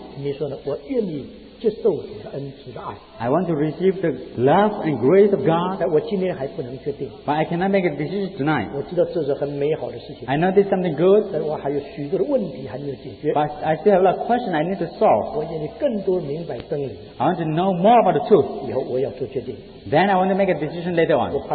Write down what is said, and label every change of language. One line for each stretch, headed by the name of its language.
Chinese: 你说呢, 我愿意接受主的恩慈的爱,
English: I want to receive the love and grace of God,
Chinese: 但我今天还不能确定,
English: but I cannot make a decision tonight.
Chinese: 我知道这是很美好的事情,
English: I know this is something good,
Chinese: 但我还有许多的问题还没有解决,
English: but I still have a question I need to solve.
Chinese: 我愿意更多明白真理,
English: I want to know more about the truth.
Chinese: 以后我要做决定,
English: then I want to make a decision later on.